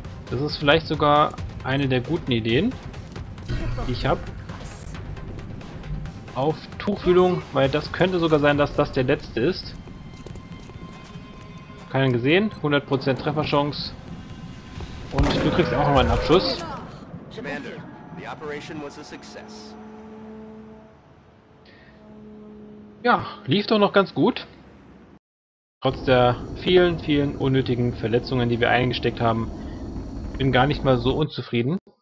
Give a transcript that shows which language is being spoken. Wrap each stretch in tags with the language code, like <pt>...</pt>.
<de>Das ist vielleicht sogar eine der guten Ideen, die ich habe. Auf Tuchfühlung, weil das könnte sogar sein, dass das der letzte ist. Keinen gesehen. 100% Trefferchance. Und du kriegst auch nochmal einen Abschuss.</de> <en>Commander, the operation was a success.</en> <de>Ja, lief doch noch ganz gut. Trotz der vielen, vielen unnötigen Verletzungen, die wir eingesteckt haben, bin gar nicht mal so unzufrieden.</de>